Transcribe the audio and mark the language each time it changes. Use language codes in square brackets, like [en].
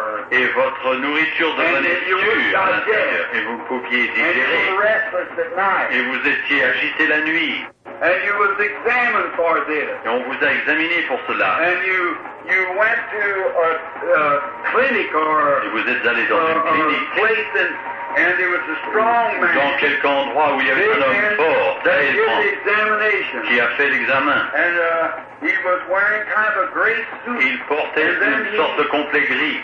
[fr] Et votre nourriture devenait dure. Et vous pouviez digérer. Et vous étiez agité la nuit. [en] And you was examined for this. [fr] Et on vous a examiné pour cela. [en] And you went to a clinic or [fr] et vous êtes allé dans une clinique. [en] And there was a strong man. [fr] Dans quelque endroit où il y avait un homme fort, d'ailleurs, qui a fait l'examen. [en] And he was wearing kind of a gray suit. [fr] Il portait sorte de complet gris.